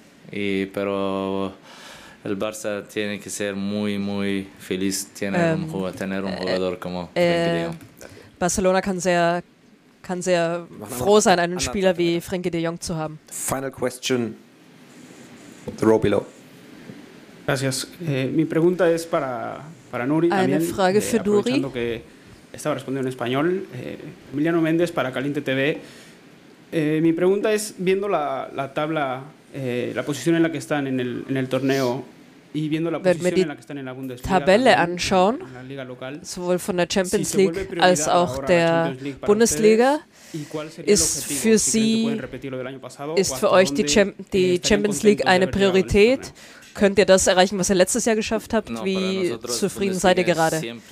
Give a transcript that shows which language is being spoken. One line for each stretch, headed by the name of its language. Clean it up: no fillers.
Spanish: Y pero el Barça tiene que ser muy muy feliz tener un jugador como Frenkie de Jong.
German: Barcelona kann sehr froh sein, einen Spieler wie Frenkie de Jong zu haben.
English: Final question. The row below.
Spanish: Gracias. Mi pregunta es para Nuri.
German: Eine Frage für Nuri.
Spanish: Estaba respondiendo en español. Emiliano Méndez para Caliente TV. Mi pregunta es viendo la tabla. La posición en la que están en el torneo y viendo la posición en la que están en la Bundesliga.
German: Tabelle anschauen, sowohl von der Champions League als auch der Bundesliga. Ist für euch die Champions League eine Priorität? Könnt ihr das erreichen, was ihr letztes Jahr geschafft habt? Wie zufrieden seid ihr gerade?